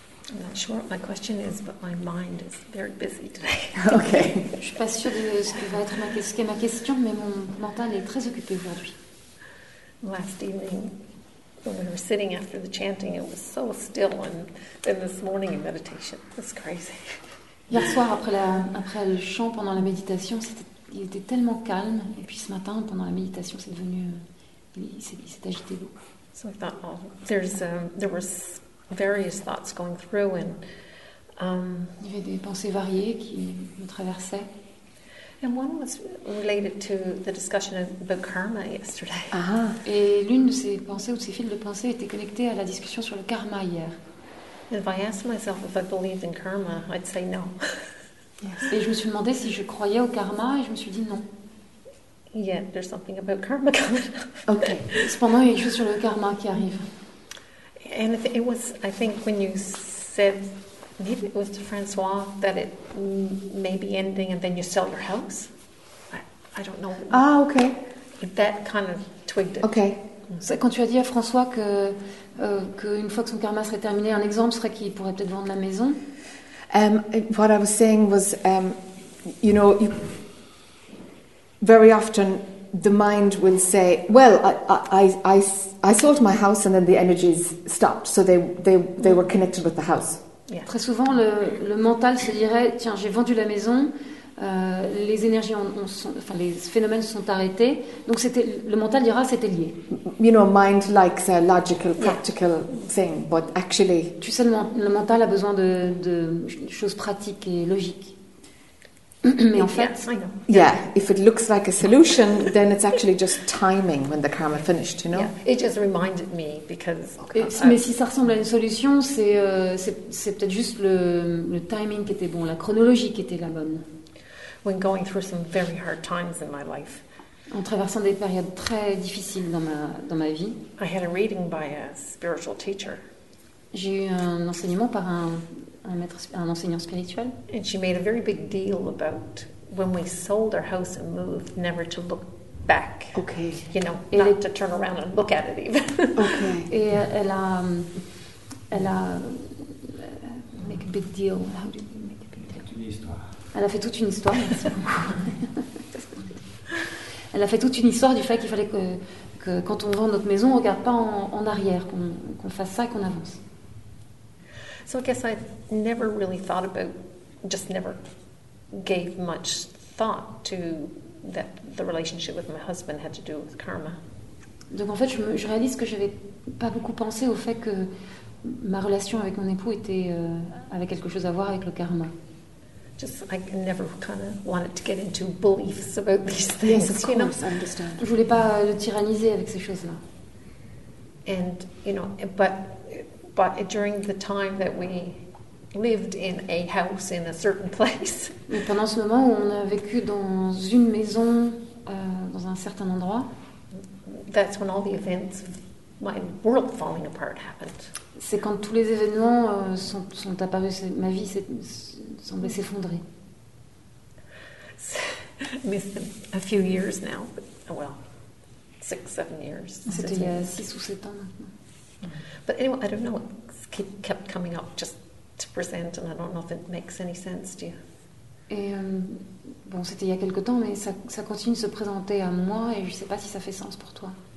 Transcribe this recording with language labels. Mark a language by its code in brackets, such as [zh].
[en] I'm not sure what my question is, but my mind is very busy today. Okay. [fr] Je suis pas sûre de ce qui va être ma question, mais mon mental est très occupé aujourd'hui. [en] Last evening, when we were sitting after the chanting, it was so still, and then this morning in meditation, it was crazy. [fr] Hier soir, après le chant pendant la méditation, il était tellement calme, et puis ce matin, pendant la méditation, c'est devenu, il s'est agité beaucoup. [en] So I thought, oh, there were various thoughts going through, and [fr] il y avait des pensées variées qui me traversaient. [en] And one was related to the discussion about karma yesterday. Ah. [fr] Et l'une de ces pensées ou de ces fils de pensée était connectée à la discussion sur le karma hier. [en] If I asked myself if I believed in karma, I'd say no. Yes. [fr] Et je me suis demandé si je croyais au karma et je me suis dit non. [en] Yeah, there's something about karma coming. Okay. [fr] Cependant, il y a quelque chose sur le karma qui arrive. [en] And it was, I think, when you said. Maybe it was to Francois that it may be ending and then you sell your house. I don't know. Ah, okay. That kind of twigged it. Okay. [fr] C'est quand tu as dit à François qu'une fois que son karma serait terminé, un exemple serait qu'il pourrait peut-être vendre la maison. [en] What I was saying was, you know, very often the mind will say, well, I sold my house and then the energies stopped, so they were connected with the house. Yeah. [fr] Très souvent, le mental se dirait, tiens, j'ai vendu la maison, les énergies, les phénomènes sont arrêtés. Donc, le mental dira, c'était lié. [en] You know, mind likes a logical, practical thing, but actually... [fr] Tu sais, le mental a besoin de choses pratiques et logiques. Mais en fait... [en] Yeah, if it looks like a solution, then it's actually just timing when the karma finished, you know? Yeah. It just reminded me, because... [fr] Mais si ça ressemble à une solution, c'est peut-être juste le timing qui était bon, la chronologie qui était la bonne. [en] When going through some very hard times in my life... [fr] En traversant des périodes très difficiles dans ma vie... [en] I had a reading by a spiritual teacher. [fr] J'ai eu un enseignement par un enseignant spirituel. [en] And she made a very big deal about when we sold our house and moved, never to look back. Okay. You know, not to turn around and look at it even. Okay. [fr] Et elle a [en] make a big deal. How do you make a big deal? [fr] Une histoire. Elle a fait toute une histoire. Elle a fait toute une histoire du fait qu'il fallait que quand on vend notre maison, on ne regarde pas en arrière, qu'on fasse ça et qu'on avance. [en] So I guess I never really thought about, just never gave much thought to that the relationship with my husband had to do with karma. [fr] Donc en fait, je réalise que j'avais pas beaucoup pensé au fait que ma relation avec mon époux était avait quelque chose à voir avec le karma. [en] Just I never kind of wanted to get into beliefs about these things. Yes, of course, you know? I understand. [fr] Je voulais pas le tyranniser avec ces choses-là. [en] And you know, but during the time that we lived in a house in a certain place. [fr] Mais pendant ce moment où on a vécu dans une maison dans un certain endroit, [en] that's when all the events of my world falling apart happened. [fr] C'est quand tous les événements sont apparus, ma vie semblait s'effondrer. [en] I missed a few years now, but, well, 6-7 years. [fr] C'était il y a 6 ou 7 ans maintenant. [en] But anyway, I don't know. It kept coming up just to present, and I don't know if it makes any sense to you. [fr] Et bon, c'était il y a quelque temps, mais ça continue de se présenter à moi, et je ne sais pas si ça fait sens pour toi.